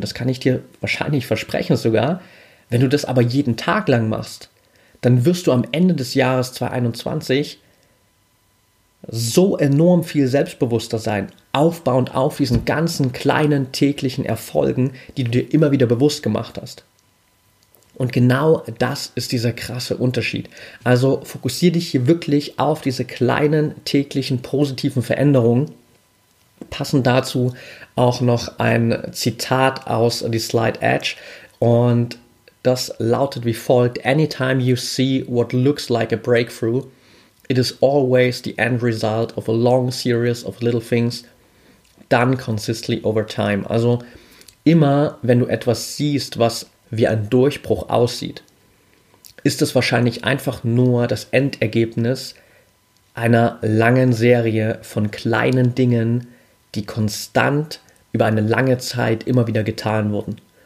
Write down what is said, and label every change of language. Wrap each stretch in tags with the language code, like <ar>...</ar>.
<de>Das kann ich dir wahrscheinlich versprechen sogar. Wenn du das aber jeden Tag lang machst, dann wirst du am Ende des Jahres 2021 so enorm viel selbstbewusster sein, aufbauend auf diesen ganzen kleinen täglichen Erfolgen, die du dir immer wieder bewusst gemacht hast. Und genau das ist dieser krasse Unterschied. Also fokussiere dich hier wirklich auf diese kleinen täglichen positiven Veränderungen. Passend dazu auch noch ein Zitat aus The Slight Edge. Und das lautet wie folgt:</de> <en>Anytime you see what looks like a breakthrough, it is always the end result of a long series of little things done consistently over time.</en> <de>Also immer, wenn du etwas siehst, was wie ein Durchbruch aussieht, ist es wahrscheinlich einfach nur das Endergebnis einer langen Serie von kleinen Dingen, die konstant über eine lange Zeit immer wieder getan wurden.</de>